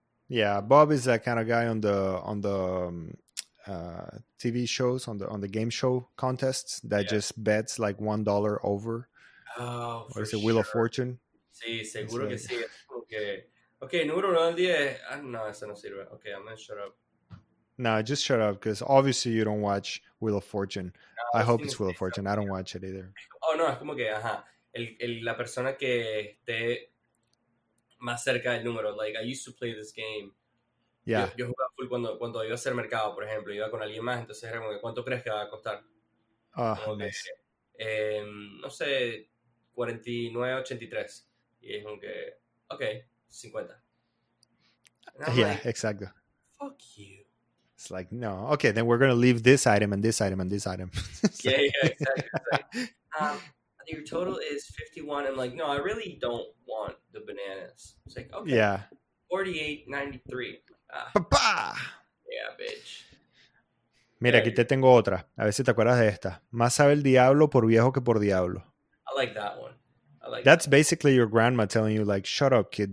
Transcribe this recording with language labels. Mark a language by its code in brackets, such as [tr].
[en] Yeah, Bob is that kind of guy on the TV shows, on the game show contests that just bets like $1 over. Oh, for sure. Or is it Wheel of Fortune? [es] Sí, seguro que sí. Okay. Okay, número 10. No, eso no sirve. Okay, [en] I'm going to shut up. No, just shut up, because obviously you don't watch Wheel of Fortune. No, I hope it's Wheel of Fortune. I don't watch it either. [es] Oh, no, es como que, ajá. La persona que esté más cerca del número. [en] Like, I used to play this game. Yeah. [es] Yo jugaba full cuando iba a hacer mercado, por ejemplo. Iba con alguien más, entonces era como que, ¿cuánto crees que va a costar? [en] Ah, nice. [es] No sé, 49.83. Y es como que, okay. 50. [en] Yeah, like, exactly. Fuck you. It's like, no. Okay, then we're going to leave this item and this item and this item. Yeah, exactly. Like, your total is 51. I'm like, no, I really don't want the bananas. It's like, okay. Yeah. 48.93. Yeah, bitch. [es] Mira, aquí te tengo otra. A ver si te acuerdas de esta. Más sabe el diablo por viejo que por diablo. [en] I like that one. Like, that's basically your grandma telling you, like, shut up, kid.